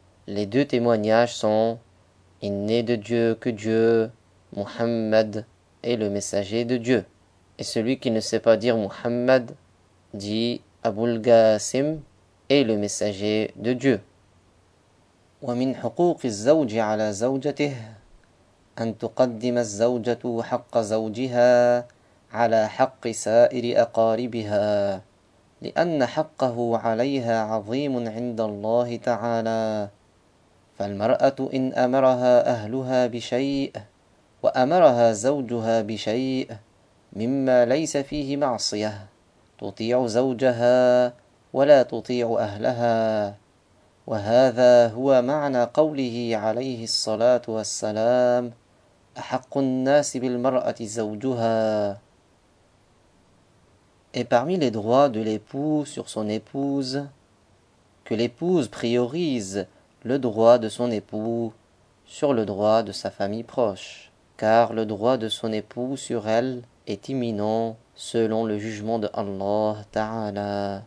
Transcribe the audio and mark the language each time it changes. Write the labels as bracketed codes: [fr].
[fr] Les deux témoignages sont « Il n'est de Dieu que Dieu, Muhammad est le messager de Dieu. » Et celui qui ne sait pas dire Muhammad dit « Abul Ghassim est le messager de Dieu. » [ar] ومن حقوق الزوج على زوجته أن تقدم الزوجة حق زوجها على حق سائر أقاربها، لأن حقه عليها عظيم عند الله تعالى. فالمرأة إن أمرها أهلها بشيء وأمرها زوجها بشيء مما ليس فيه معصية تطيع زوجها ولا تطيع أهلها، وهذا هو معنى قوله عليه الصلاة والسلام: أحق الناس بالمرأة زوجها. [fr] Et parmi les droits de l'époux sur son épouse, que l'épouse priorise le droit de son époux sur le droit de sa famille proche, car le droit de son époux sur elle est imminent selon le jugement de Allah Ta'ala.